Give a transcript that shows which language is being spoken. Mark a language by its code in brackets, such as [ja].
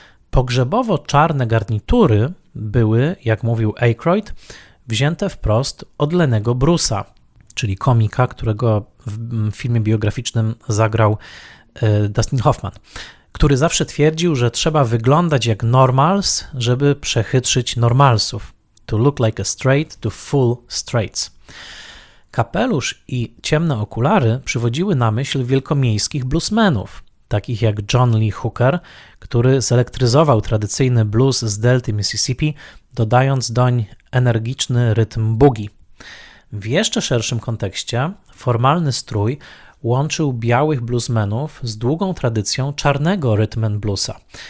[pl] Pogrzebowo czarne garnitury były, jak mówił Aykroyd, wzięte wprost od Lennego Bruce'a, czyli komika, którego w filmie biograficznym zagrał Dustin Hoffman, który zawsze twierdził, że trzeba wyglądać jak normals, żeby przechytrzyć normalsów. [en] To look like a straight, to fool straights. [pl] Kapelusz i ciemne okulary przywodziły na myśl wielkomiejskich bluesmenów, takich jak John Lee Hooker, który zelektryzował tradycyjny blues z delty Mississippi, dodając doń energiczny rytm boogie. W jeszcze szerszym kontekście formalny strój łączył białych bluesmenów z długą tradycją czarnego rhythm and bluesa.